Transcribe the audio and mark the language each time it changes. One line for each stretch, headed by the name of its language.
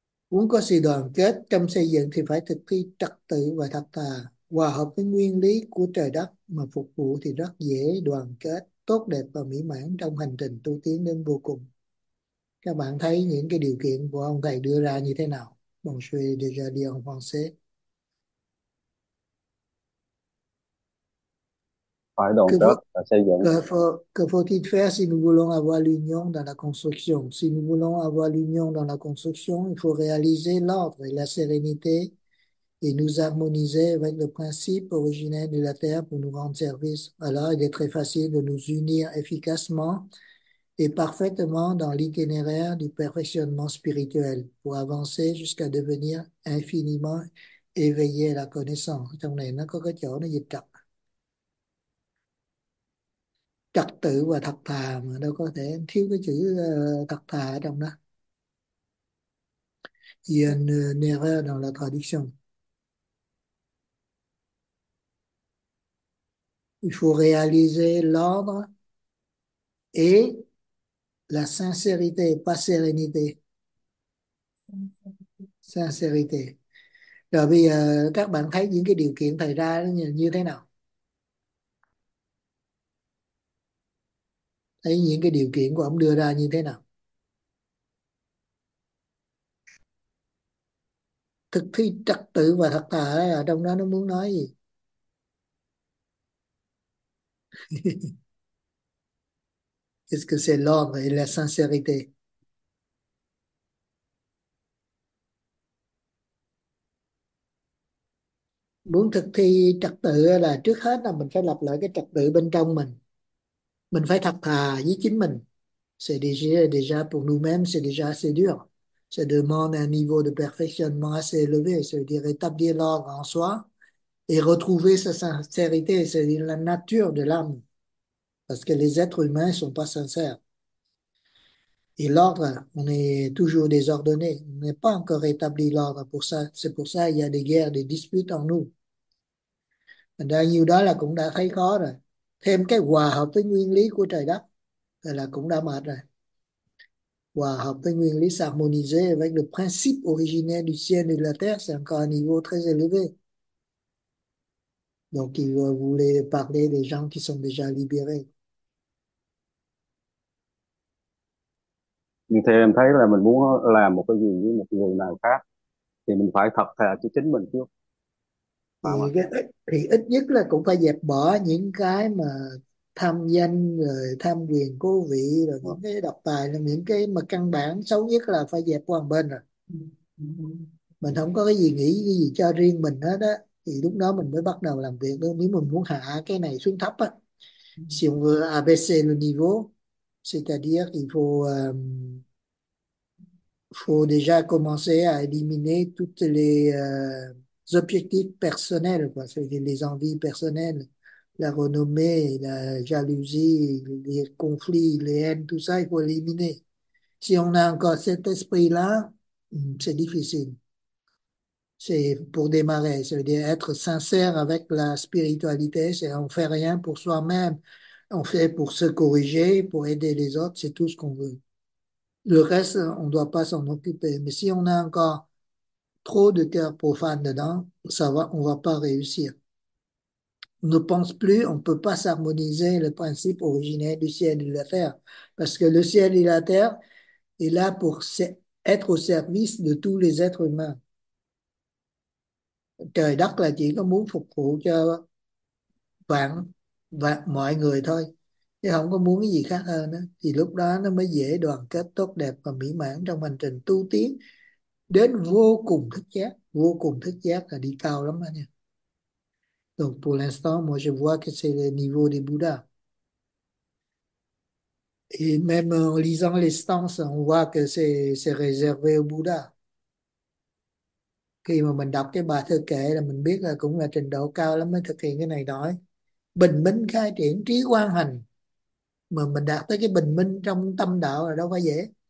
Vietnamese: Muốn có sự đoàn kết trong xây dựng thì phải thực thi trật tự và thật thà, hòa hợp với nguyên lý của trời đất mà phục vụ thì rất dễ đoàn kết, tốt đẹp và mỹ mãn trong hành trình tu tiến đến vô cùng. Các bạn thấy những cái điều kiện của ông thầy đưa ra như thế nào?
French: Bonjour, déjà dit en français.
Vietnamese: Phải đoàn kết và xây dựng.
French: Que faut-il faire si nous voulons avoir l'union dans la construction? Si nous voulons avoir l'union dans la construction, il faut réaliser l'ordre et la sérénité et nous harmoniser avec le principe originel de la Terre pour nous rendre service. Alors, il est très facile de nous unir efficacement et parfaitement dans l'itinéraire du perfectionnement spirituel pour avancer jusqu'à devenir infiniment éveillé à la connaissance.
Vietnamese: Trong này nó có cái chỗ nó dịch chặt. Trật tự và thật thà mà đâu có thể thiếu cái chữ thật thà ở trong đó.
French: Il y a une erreur dans la traduction. Il faut réaliser l'ordre et la sincérité, pas sérénité. Sincérité.
Vietnamese: Rồi bây giờ các bạn thấy những cái điều kiện thầy ra như thế nào? Thấy những cái điều kiện của ông đưa ra như thế nào? Thực thi trật tự và thật thà là trong đó nó muốn nói gì?
French: Est-ce que c'est l'ordre et la sincérité?
Vietnamese: Muốn thực thi trật tự là trước hết là mình phải lập lại cái trật tự bên trong mình. Mình phải thật thà với chính mình.
French: C'est déjà pour nous-mêmes, c'est déjà assez dur. Ça demande un niveau de perfectionnement assez élevé, c'est-à-dire établir l'ordre en soi et retrouver sa sincérité, c'est-à-dire la nature de l'âme. Parce que les êtres humains ne sont pas sincères. Et l'ordre, on est toujours désordonné. On n'est pas encore établi l'ordre pour ça. C'est pour ça qu'il y a des guerres, des disputes en nous.
Vietnamese: Đã nhiều đó là cũng đã thấy khó rồi. Thêm cái hòa hợp với nguyên lý của trời đất là cũng đã mệt rồi. Hòa hợp với nguyên lý
French: s'harmoniser avec le principe originel du ciel et de la terre, c'est encore un niveau très élevé. Donc, il voulait parler des gens qui sont déjà libérés.
Vietnamese: Như thế em thấy là mình muốn làm một cái gì với một người nào khác thì mình phải thật thà cho chính mình trước. Phải không ạ? Thì ít nhất là cũng phải dẹp bỏ những cái mà tham danh rồi tham quyền cố vị rồi những cái độc tài, là những cái mà căn bản xấu nhất là phải dẹp qua một bên rồi. Mình không có cái gì nghĩ cái gì cho riêng mình hết á, thì lúc đó mình mới bắt đầu làm việc đó. Nếu mình muốn hạ cái này xuống thấp á,
French: si on veut abaisser le niveau, c'est-à-dire il faut faut déjà commencer à éliminer toutes les objectifs personnels, quoi, c'est-à-dire les envies personnelles, la renommée, la jalousie, les conflits, les haines, tout ça, il faut éliminer. Si on a encore cet esprit-là, c'est difficile. C'est pour démarrer, c'est-à-dire être sincère avec la spiritualité, c'est on fait rien pour soi-même, on fait pour se corriger, pour aider les autres, c'est tout ce qu'on veut. Le reste, on doit pas s'en occuper. Mais si on a encore trop de cœur profane dedans, ça va, on va pas réussir. On ne pense plus, on peut pas s'harmoniser le principe originel du ciel et de la terre. Parce que le ciel et la terre est là pour être au service de tous les êtres humains.
Vietnamese: Trời đất là chỉ có muốn phục vụ cho vạn vạn mọi người thôi, chứ không có muốn cái gì khác hơn đó. Thì lúc đó nó mới dễ đoàn kết tốt đẹp và mỹ mãn trong hành trình tu tiến đến vô cùng thức giác. Vô cùng thức giác là đi cao lắm anh nha.
French: Donc pour l'instant, moi je vois que c'est le niveau des Bouddhas. Et même en lisant les stances, on voit que c'est réservé aux Bouddhas.
Vietnamese: Khi mà mình đọc cái bài thơ kệ là mình biết là cũng là trình độ cao lắm mới thực hiện cái này nói. Bình minh khai triển trí quang hành. Mà mình đạt tới cái bình minh trong tâm đạo là đâu phải dễ.